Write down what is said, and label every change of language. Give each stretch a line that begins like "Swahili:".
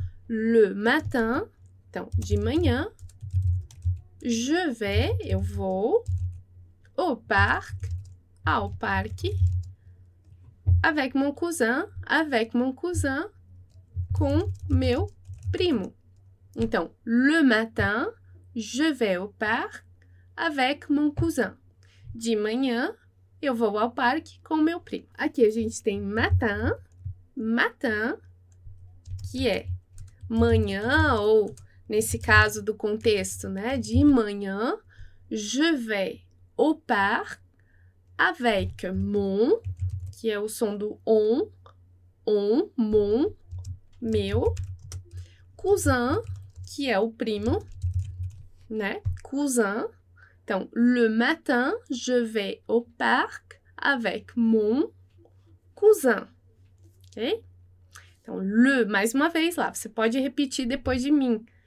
French: Le matin,
Portuguese: então, de manhã.
French: Je vais,
Portuguese: eu vou, ao parque,
French: avec mon cousin,
Portuguese: com meu primo.
French: Então, le matin, je vais au parc avec mon cousin.
Portuguese: De manhã, eu vou ao parque com meu primo. Aqui a gente tem matin, matin, que é manhã ou nesse caso do contexto, né? De manhã,
French: je vais au parc avec mon,
Portuguese: que é o som do on, mon, meu, cousin, que é o primo, né? Cousin.
French: Então, le matin, je vais au parc avec mon cousin.
Portuguese: Ok? Então, le, mais uma vez lá, você pode repetir depois de mim.